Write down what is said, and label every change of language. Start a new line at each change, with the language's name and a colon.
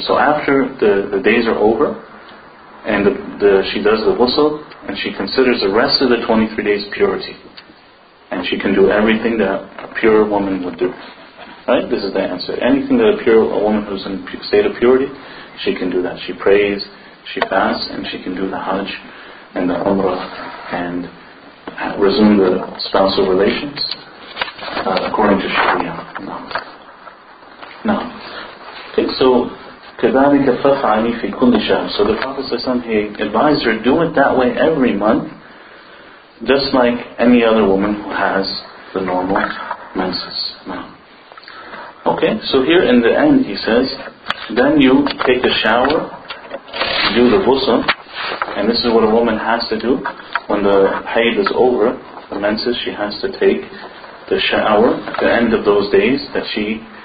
English: So after the days are over, and she does the ghusl, and she considers the rest of the 23 days purity, and she can do everything that a pure woman would do. Right? This is the answer. Anything that a woman who's in a state of purity, she can do that. She prays, she fasts, and she can do the hajj and the umrah and resume the spousal relations according to Sharia. Now, okay, so
Arabic: كَذَٰلِكَ فَفْعَلِي فِي كُلِّ شَهْرٍ.
English: So the Prophet ﷺ, he advised her, do it that way every month, just like any other woman who has the normal menses. Now, okay, so here in the end he says, then you take a shower, do the ghusl, and this is what a woman has to do when the haid is over, the menses, she has to take the shower at the end of those days that she